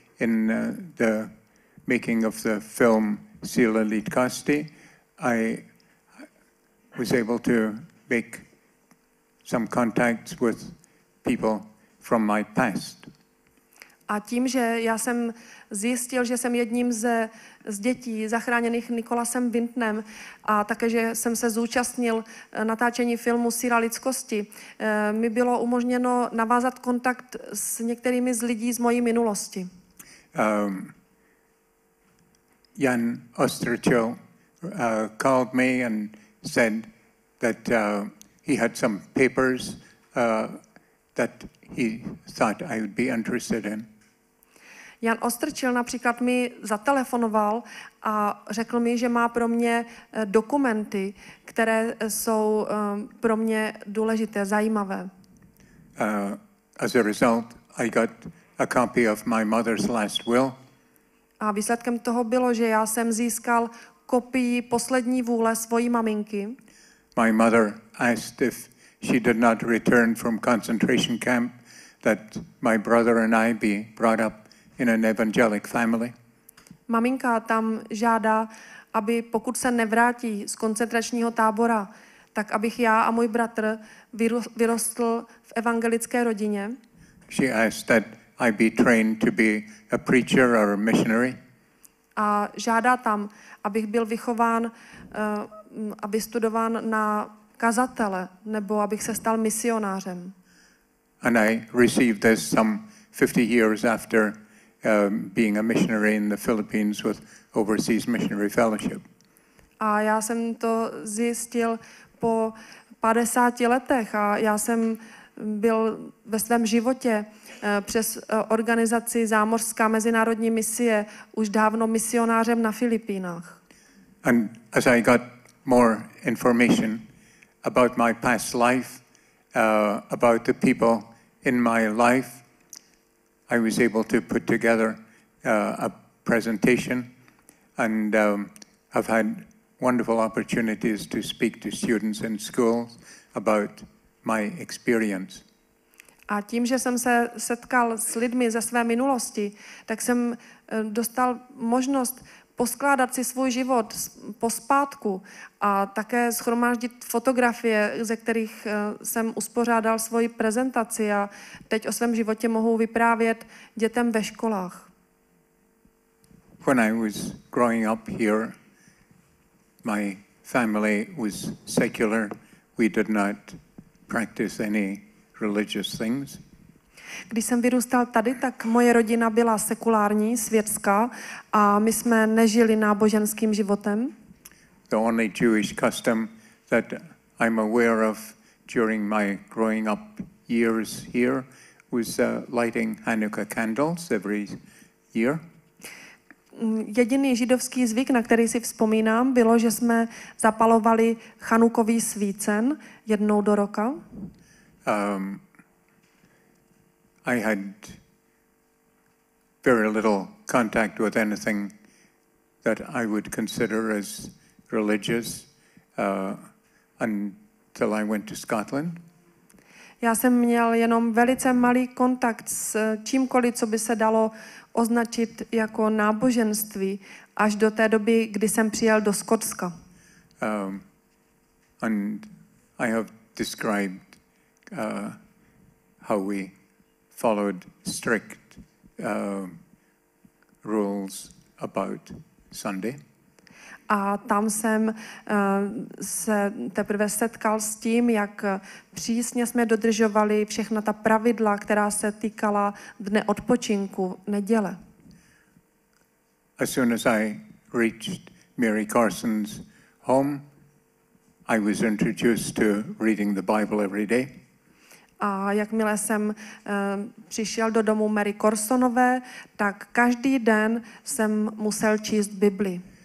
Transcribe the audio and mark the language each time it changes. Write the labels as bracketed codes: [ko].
[en] in the making of the film Sila Leetkasti, I was able to make some contacts with people from my past. [cs] A tím, že já jsem zjistil, že jsem jedním z dětí zachráněných Nikolasem Vintnem a také, že jsem se zúčastnil natáčení filmu Síra lidskosti, mi bylo umožněno navázat kontakt s některými z lidí z mojí minulosti. [en] Jan Osterchil called me and said that he had some papers that he thought I would be interested in. [cs] Jan Osterchil například mi zatelefonoval a řekl mi, že má pro mě dokumenty, které jsou pro mě důležité, zajímavé. [en] As a result, I got a copy of my mother's last will. [cs] A výsledkem toho bylo, že já jsem získal kopii poslední vůle svojí maminky. [en] My mother asked if she did not return from concentration camp that my brother and I be brought up in an evangelic family. [cs] Maminka tam žádá, aby pokud se nevrátí z koncentračního tábora, tak abych já a můj bratr vyrostl v evangelické rodině. [en] She asked that I be trained to be a preacher or a missionary. [cs] A žádá tam, abych byl vychován, aby studován na kazatele, nebo abych se stal misionářem. [en] And I received this some 50 years after being a missionary in the Philippines with Overseas Missionary Fellowship. [cs] A já jsem to zjistil po 50 letech a já jsem byl ve svém životě přes organizaci Zámořská mezinárodní misie už dávno misionářem na Filipínách. [en] And as I got more information about my past life, about the people in my life, I was able to put together a presentation and I've had wonderful opportunities to speak to students in schools about my experience. [cs] A tím, že jsem se setkal s lidmi ze své minulosti, tak jsem dostal možnost poskládat si svůj život pospátku a také shromáždit fotografie, ze kterých jsem uspořádal svoji prezentaci a teď o svém životě mohu vyprávět dětem ve školách. [en] When I was growing up here, my family was secular. We did not practice any religious things. [cs] Když jsem vyrůstal tady, tak moje rodina byla sekulární, světská a my jsme nežili náboženským životem. [en] The only Jewish custom that I'm aware of during my growing up years here was lighting Hanukkah candles every year. [cs] Jediný židovský zvyk, na který si vzpomínám, bylo, že jsme zapalovali chanukový svícen jednou do roka. [en] I had very little contact with anything that I would consider as religious until I went to Scotland. [cs] Já jsem měl jenom velice malý kontakt s čímkoliv, co by se dalo označit jako náboženství, až do té doby, kdy jsem přijel do Skotska. [en] And I have described how we followed strict rules about Sunday. [cs] A tam jsem se teprve setkal s tím, jak přísně jsme dodržovali všechna ta pravidla, která se týkala dne odpočinku, neděle. [en] As soon as I reached Mary Carson's home, I was introduced to reading the Bible every day. [cs] A jakmile jsem přišel do domu Mary Corsonové, tak každý den jsem musel číst Bibli.